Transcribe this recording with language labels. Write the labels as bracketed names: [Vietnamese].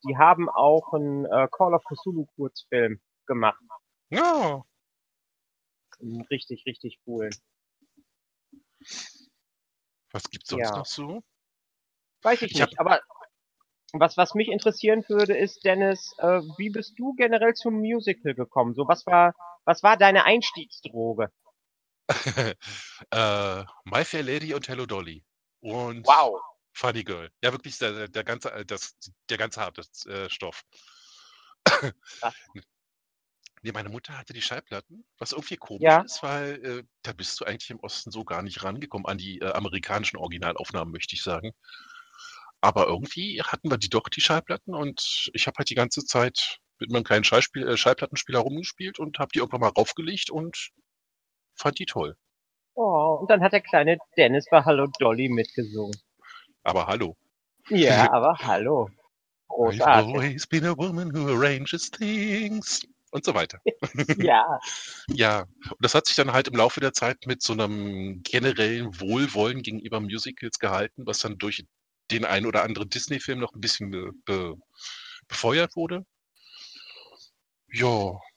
[German] Die haben auch einen Call of Cthulhu-Kurzfilm gemacht. Ja. Oh. Richtig, richtig cool. Was gibt's sonst noch so? Weiß ich nicht, aber was mich interessieren würde, ist, Dennis, wie bist du generell zum Musical gekommen? So, was war deine Einstiegsdroge? My Fair Lady und Hello Dolly. Und wow. Funny Girl. Ja, wirklich der ganze harte Stoff. Nee, meine Mutter hatte die Schallplatten, was irgendwie komisch ist, weil da bist du eigentlich im Osten so gar nicht rangekommen an die amerikanischen Originalaufnahmen, möchte ich sagen. Aber irgendwie hatten wir die Schallplatten und ich habe halt die ganze Zeit mit meinem kleinen Schallplattenspieler rumgespielt und habe die irgendwann mal raufgelegt und fand die toll. Oh, und dann hat der kleine Dennis bei Hallo Dolly mitgesungen. Aber hallo. Ja, aber hallo. Großartig. [English] I've always been a woman who arranges things. [German] Und so weiter. Ja. Ja, und das hat sich dann halt im Laufe der Zeit mit so einem generellen Wohlwollen gegenüber Musicals gehalten, was dann durch den ein oder anderen Disney-Film noch ein bisschen befeuert wurde. Ja.